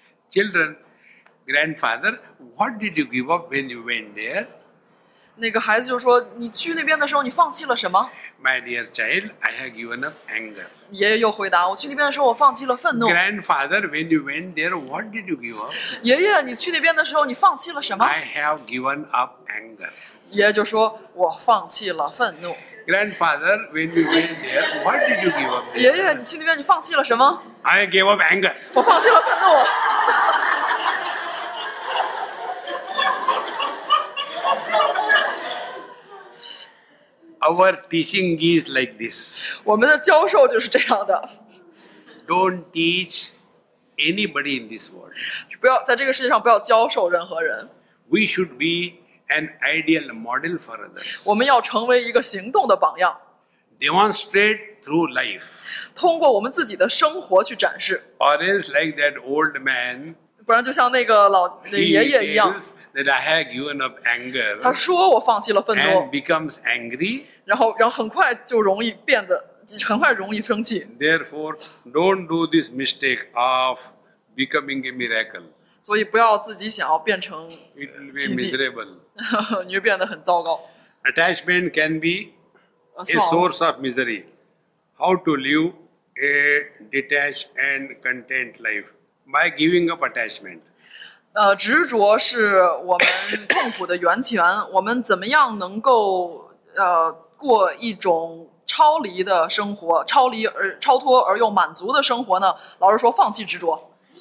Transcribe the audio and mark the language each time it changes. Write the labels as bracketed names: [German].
[English] Children. Grandfather, what did you give up when you went there? [Chinese] 那个孩子就说，你去那边的时候，你放弃了什么？ [English] My dear child, I have given up anger. [Chinese] 爷爷又回答，我去那边的时候，我放弃了愤怒。 [English] Grandfather, when you went there, what did you give up? [Chinese] 爷爷，你去那边的时候，你放弃了什么？ [English] I have given up anger. [Chinese] 爷爷就说，我放弃了愤怒。 [English] Grandfather, when you went there, what did you give up? [Chinese] 爷爷，你去那边，你放弃了什么？ [English] I gave up anger. [Chinese] 我放弃了愤怒。 [English] Our teaching is like this. [Chinese] 我们的教授就是这样的。 [English] Don't teach anybody in this world. [Chinese] 不要在这个世界上不要教授任何人。 [English] We should be an ideal model for others. [Chinese] 我们要成为一个行动的榜样。 [English] Demonstrate through life. [Chinese] 通过我们自己的生活去展示。 [English] Or else like that old man. [Chinese] 不然就像那个老那爷爷一样。 [English] That I have given up anger. [Chinese] 他说我放弃了愤怒 [English] and becomes angry. [Chinese] 然后很快就容易变得，很快容易生气 [English] Therefore, don't do this mistake of becoming a miracle. [Chinese] 所以不要自己想要变成奇迹 [English] It will be miserable. [Chinese] 你会变得很糟糕 [English] attachment can be a source of misery. How to live a detached and content life? By giving up attachment. [Chinese] 执着是我们痛苦的源泉。我们怎么样能够过一种超离的生活，超离而超脱而又满足的生活呢？老师说，放弃执着。